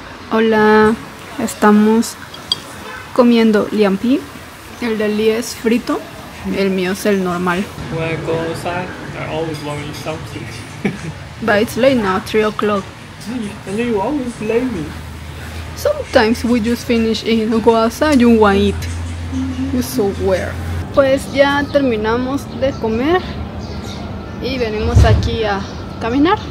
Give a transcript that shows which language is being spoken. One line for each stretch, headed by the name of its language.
Spanish: Hola, estamos comiendo liampi, el de Lee es frito, el mío es el normal.
English: When I go outside, I always want to eat something. But it's late now, 3 o'clock. And you always blame me. Sometimes we just finish eating, go outside, you want to eat. You're so weird.
Spanish: Pues ya terminamos de comer y venimos aquí a caminar.